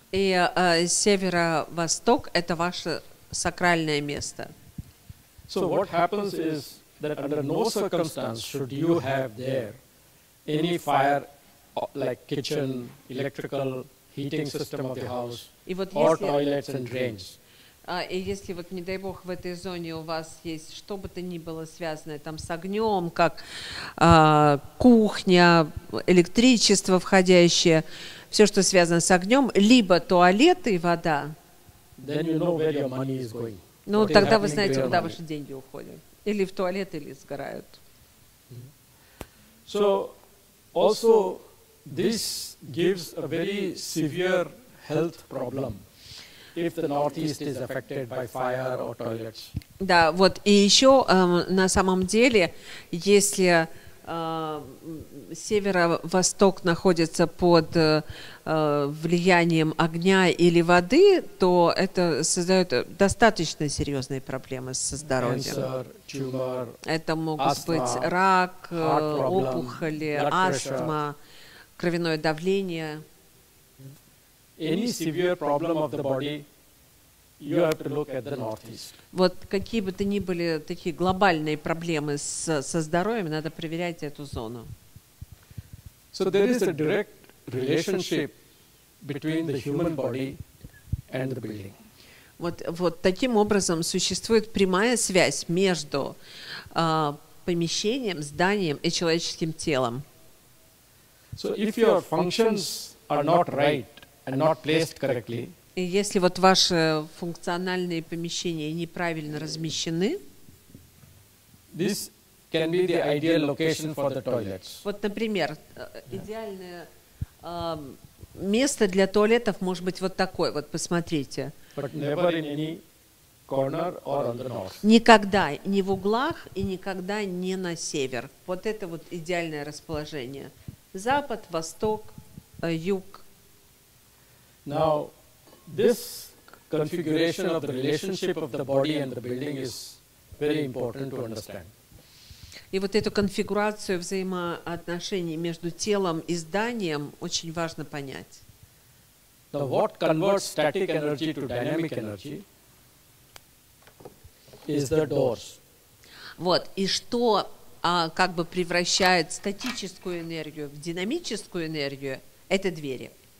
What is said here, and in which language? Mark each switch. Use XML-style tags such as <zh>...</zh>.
<ru>И северо-восток – это ваше сакральное место.</ru> <en>So what happens is that under no circumstance should you have there any fire, like kitchen, electrical, heating system of the house,</en> <ru>вот</ru> <en>or</en> <ru>если,</ru> <en>toilets and drains.</en> <ru>И если, вот, не дай бог, в этой зоне у вас есть что бы то ни было связанное там с огнем, как кухня, электричество входящее, все, что связано с огнем, либо туалет и вода.</ru> <en>Then you know where your money is going.</en> <ru>Ну, what тогда вы знаете, куда ваши деньги уходят. Или в туалет, или сгорают.</ru> <en>So, also, this gives a very severe health problem if the northeast is affected by fire or toilets.</en> <ru>Да, вот, и еще на самом деле, если северо-восток находится под влиянием огня или воды, то это создает достаточно серьезные проблемы со здоровьем.</ru> <en>Tumor,</en> <ru>это могут астма, быть рак,</ru> <en>problem,</en> <ru>опухоли, астма, кровяное давление.</ru> <en>Any severe problem of the body, you have to look at the northeast.</en> <ru>Вот какие бы то ни были такие глобальные проблемы со здоровьем, надо проверять эту зону.</ru> <en>So there is a direct relationship between the human body and the building.</en> <ru>Вот таким образом существует прямая связь между помещением, зданием и человеческим телом.</ru> <en>So if your functions are not right and not placed correctly,</en> <ru>и если вот ваши функциональные помещения неправильно размещены,</ru> <en>this can be the ideal location for the toilets.</en> <ru>Вот, например, идеальное место для туалетов может быть вот такое. Вот посмотрите.</ru> <en>But never in any corner or on the north.</en> <ru>Никогда не в углах и никогда не на север. Вот это вот идеальное расположение. Запад, восток, юг.</ru> <en>Now, this configuration of the relationship of the body and the building is very important to understand.</en> <ru>И вот эту конфигурацию взаимоотношений между телом и зданием очень важно понять.</ru> <en>Now, what converts static energy to dynamic energy is the doors.</en> <ru>Вот, и что как бы превращает статическую энергию в динамическую энергию, это двери.</ru>